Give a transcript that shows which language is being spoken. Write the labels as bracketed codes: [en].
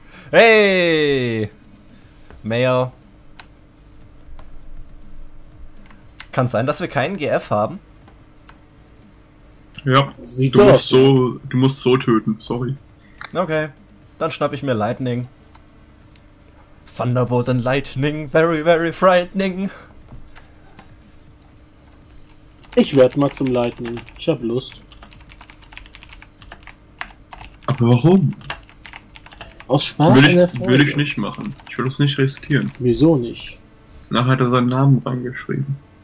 [en] Hey. Mayor. [de] Kann es sein, dass wir keinen GF haben? Ja, du musst so töten, sorry. Okay, dann schnapp ich mir Lightning. [en] Thunderbolt and Lightning, very, very frightening. [de] Ich werde mal zum Lightning, ich hab Lust. Aber warum? Aus Spaß? Würde ich nicht machen, ich würde es nicht riskieren. Wieso nicht? Nachher hat er seinen Namen reingeschrieben.